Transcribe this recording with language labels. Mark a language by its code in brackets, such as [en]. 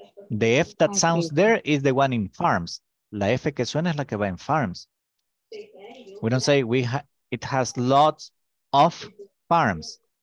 [en] The F that sounds there is the one in farms. [es] La F que suena es la que va en farms. [en] We don't say it has lots of farms.